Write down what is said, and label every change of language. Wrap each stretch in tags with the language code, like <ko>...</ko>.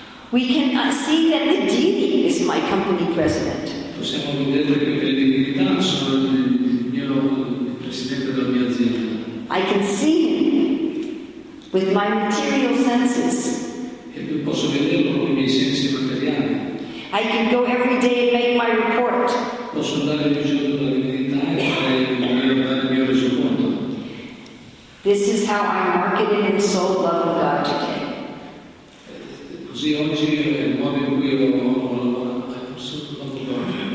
<en>We can see that the deity is my company president.</en> <it>Possiamo vedere che le divinità sono il presidente della mia azienda.</it> <en>I can see with my material senses.</en> <it>E posso vederlo con i miei sensi materiali.</it> <en>I can go every day and make my report.</en> <it>Posso andare ogni giorno alla divinità e fare il mio resoconto.</it> <en>This is how I marketed and sold love of God today.</en> <it>Così oggi è il modo in cui io</it>